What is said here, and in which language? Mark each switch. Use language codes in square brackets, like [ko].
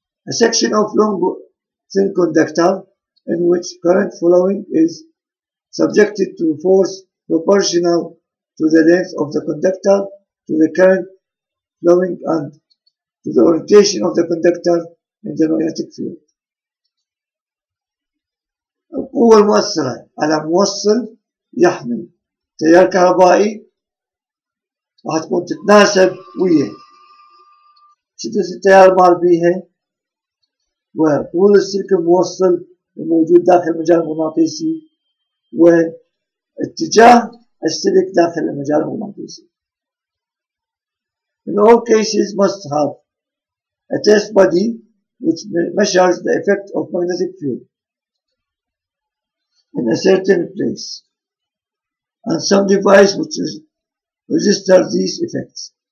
[en] A section of long thin conductor in which current flowing is subjected to force proportional to the length of the conductor, to the current flowing and to the orientation of the conductor in the magnetic field. [ar] القوة المؤثرة على موصل يحمل تيار كهربائي راح تكون تتناسب ويا شدة التيار المار بيها، وطول السلك الموصل الموجود داخل المجال المغناطيسي، واتجاه السلك داخل المجال المغناطيسي. [en] In all cases must have a test body which measures the effect of magnetic field in a certain place and some device which registers these effects.